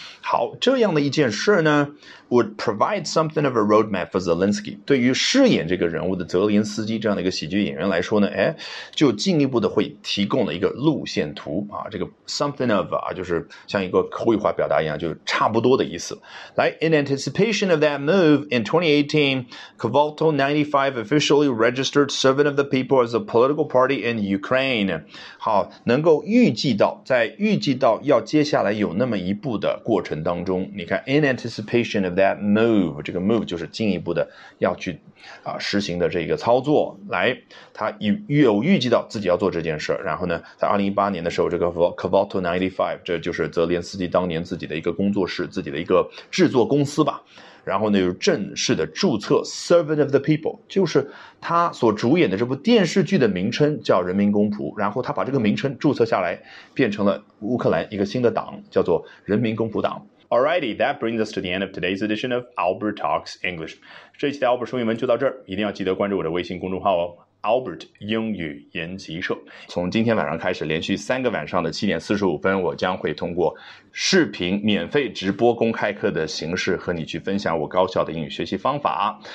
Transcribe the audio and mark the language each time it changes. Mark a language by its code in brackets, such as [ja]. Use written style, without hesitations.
[zh] 好，这样的一件事呢 [en] would provide something of a roadmap for Zelensky， [zh] 对于饰演这个人物的泽连斯基这样的一个喜剧演员来说呢，哎，就进一步的会提供了一个路线图啊。这个 something of 啊，就是像一个口语化表达一样，就是差不多的意思。来 [en] ，in anticipation of that move in 2018， Kvoto 95 officially registered servant of the people as a political party in Ukraine。 [zh] 好，能够预计到，在预计到要接下来有那么一步的过程当中，你看 [en] in anticipation of that move， [zh] 这个 move 就是进一步的要去实行的这个操作，来他有预计到自己要做这件事。然后呢，在2018年的时候，这个 Kvoto 95， 这就是泽连斯基当年自己的一个工作室，自己的一个制作公司吧，然后呢就正式的注册 Servant of the People， 就是他所主演的这部电视剧的名称叫人民公仆，然后他把这个名称注册下来变成了乌克兰一个新的党，叫做人民公仆党。 [en] Alrighty, that brings us to the end of today's edition of Albert Talks English. [zh] 这期的 Albert 说英文就到这儿，一定要记得关注我的微信公众号哦， Albert 英语研习社。从今天晚上开始，连续三个晚上的7:45，我将会通过视频免费直播公开课的形式和你去分享我高效的英语学习方法。